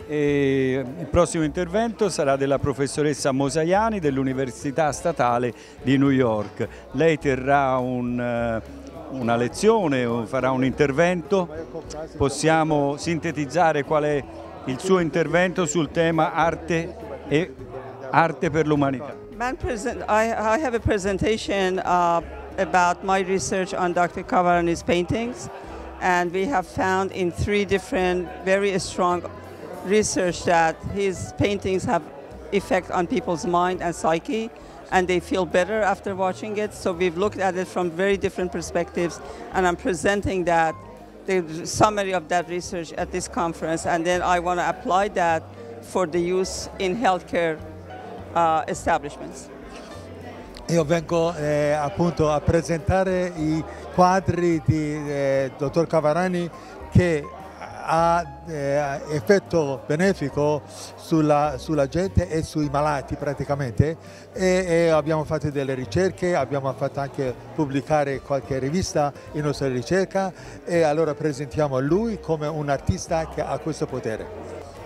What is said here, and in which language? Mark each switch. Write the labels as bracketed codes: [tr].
[it] E il prossimo intervento sarà della professoressa Mosaiani dell'Università Statale di New York. Lei terrà una lezione, farà un intervento. Possiamo sintetizzare qual è il suo intervento sul tema arte e arte per l'umanità. [en] I have a presentation about my research on Dr. Kavarani's paintings, and we have found in three different very strong research that his paintings have effect on people's mind and psyche, and they feel better after watching it. So we've looked at it from very different perspectives, and I'm presenting that, the summary of that research, at this conference, and then I want to apply that for the use in healthcare establishments. [it] Io vengo appunto a presentare i quadri di dottor Kavarani, che ha effetto benefico sulla gente e sui malati praticamente, e abbiamo fatto delle ricerche, abbiamo fatto anche pubblicare qualche rivista in nostra ricerca, e allora presentiamo lui come un artista che ha questo potere.